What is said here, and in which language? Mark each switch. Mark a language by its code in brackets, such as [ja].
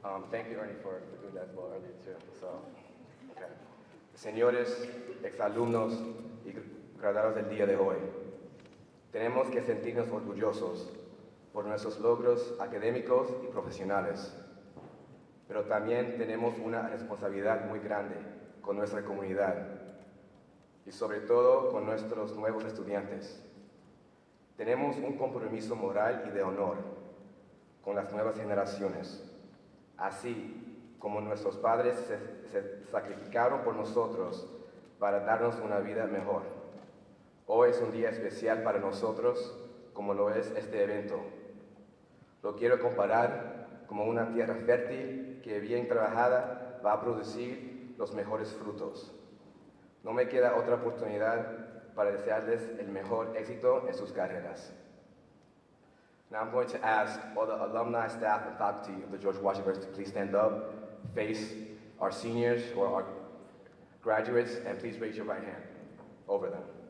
[en] Thank you, Ernie, for doing that well earlier, too. So, okay. [es] Señores, exalumnos y graduados del día de hoy, tenemos que sentirnos orgullosos por nuestros logros académicos y profesionales. Pero también tenemos una responsabilidad muy grande con nuestra comunidad y sobre todo con nuestros nuevos estudiantes. Tenemos un compromiso moral y de honor con las nuevas generaciones. Así como nuestros padres se sacrificaron por nosotros para darnos una vida mejor. Hoy es un día especial para nosotros, como lo es este evento. Lo quiero comparar como una tierra fértil que, bien trabajada, va a producir los mejores frutos. No me queda otra oportunidad para desearles el mejor éxito en sus carreras. [en] Now I'm going to ask all the alumni, staff, and faculty of the George Washington University to please stand up, face our seniors or our graduates, and please raise your right hand over them.